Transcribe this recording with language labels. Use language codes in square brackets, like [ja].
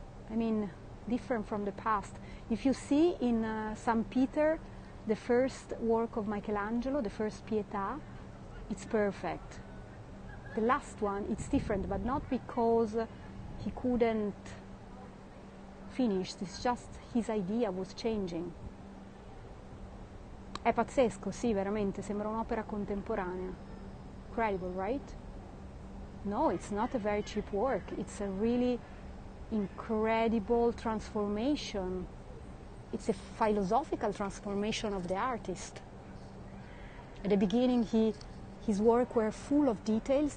[en] I mean, different from the past. If you see in San Peter, the first work of Michelangelo, the first Pietà, it's perfect. The last one, it's different, but not because he couldn't finish. It's just his idea was changing. [it] È pazzesco, sì, veramente, sembra un'opera contemporanea. [en] Incredible, right? No, it's not a very cheap work. It's a really incredible transformation. It's a philosophical transformation of the artist. At the beginning, his work were full of details.